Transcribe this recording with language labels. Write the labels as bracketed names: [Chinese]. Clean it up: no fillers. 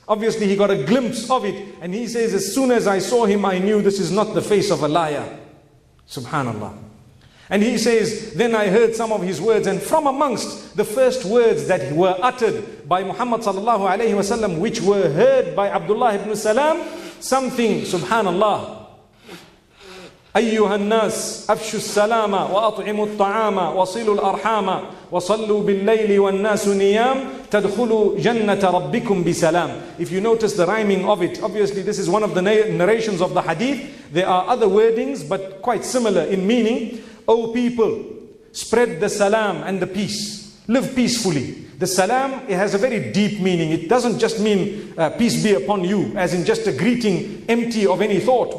[English] Obviously he got a glimpse of it. And he says, as soon as I saw him, I knew this is not the face of a liar. Subhanallah. And he says, then I heard some of his words, and from amongst the first words that were uttered by Muhammad sallallahu alayhi wa sallam, which were heard by Abdullah ibn Salam, something, subhanallah. [Arabic] أيها الناس أفشوا السلامة وأطعموا الطعام وصلوا الأرحام وصلوا بالليل والناس نيام تدخلوا جنة ربكم بسلام. [English] If you notice the rhyming of it, obviously this is one of the narrations of the hadith. There are other wordings, but quite similar in meaning. O people, spread the salam and the peace. Live peacefully. The salam, it has a very deep meaning. It doesn't just mean peace be upon you, as in just a greeting empty of any thought.